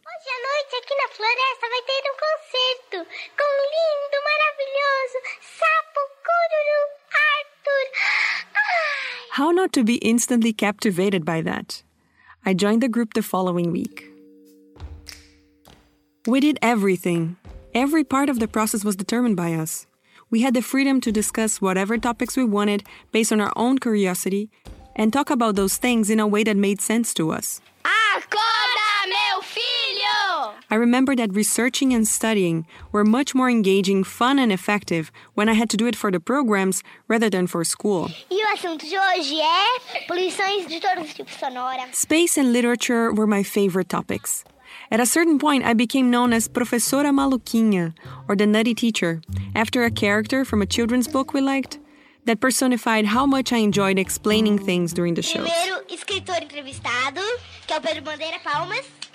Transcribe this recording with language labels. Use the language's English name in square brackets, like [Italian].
[Portuguese] Hoje à noite, aqui na floresta, vai ter concerto com lindo, maravilhoso, sapo, cururu, Arthur. [English] How not to be instantly captivated by that? I joined the group the following week. We did everything. Every part of the process was determined by us. We had the freedom to discuss whatever topics we wanted based on our own curiosity and talk about those things in a way that made sense to us. [Portuguese] Acorda, meu filho! [English] I remember that researching and studying were much more engaging, fun and effective when I had to do it for the programs rather than for school. [Portuguese] E o assunto de hoje é poluições de todos os tipos sonora. [English] Space and literature were my favorite topics. At a certain point, I became known as Professora Maluquinha, or the Nutty Teacher, after a character from a children's book we liked that personified how much I enjoyed explaining things during the shows. [Portuguese] Primeiro escritor entrevistado, que é o Pedro Bandeira, palmas.